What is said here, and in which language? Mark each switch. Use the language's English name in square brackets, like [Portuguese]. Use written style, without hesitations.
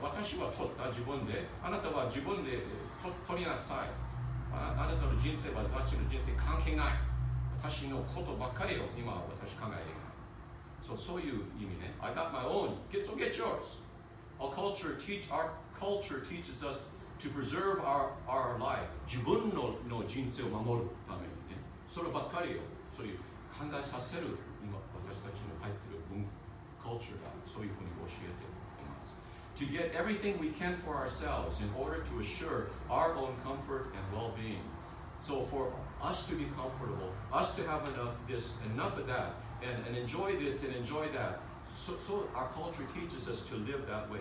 [Japanese] 私は取った自分で、あなたは自分で取りなさい。あなたの人生は私の人生関係ない。私のことばかりを今私考えています。 [English] So, so you, you mean it? I got my own. Get yours. Our culture teaches us to preserve our life. [Japanese] 自分の人生を守るためにね。そればっかりよ。そういう考えさせる今私たちの入ってる文化、culture だ。そういうふうに教えています。 [English] To get everything we can for ourselves in order to assure our own comfort and well-being. So for us to be comfortable, us to have enough this, enough of that. And enjoy this and enjoy that. So our culture teaches us to live that way.